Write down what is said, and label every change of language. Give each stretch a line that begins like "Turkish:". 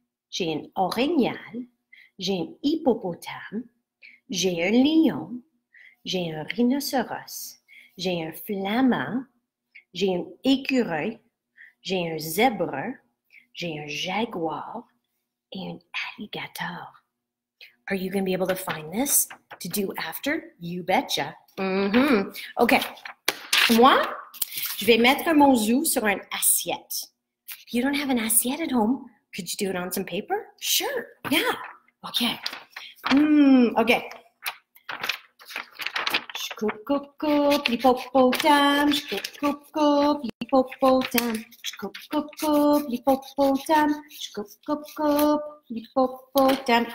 French: J'ai un orignal, j'ai un hippopotame, j'ai un lion, j'ai un rhinocéros, j'ai un flamand, j'ai un écureuil, j'ai un zèbre, j'ai un jaguar et un alligator.
English: Are you going to be able to find this to do after? You betcha. Mm-hmm. OK.
French: Moi, je vais mettre mon zoo sur une assiette.
English: If you don't have an assiette at home, could you do it on some paper? Sure. Yeah. OK. OK.
French: Coupe, l'hippopotame, coupe, l'hippopotame, coupe, l'hippopotame, coupe, l'hippopotame.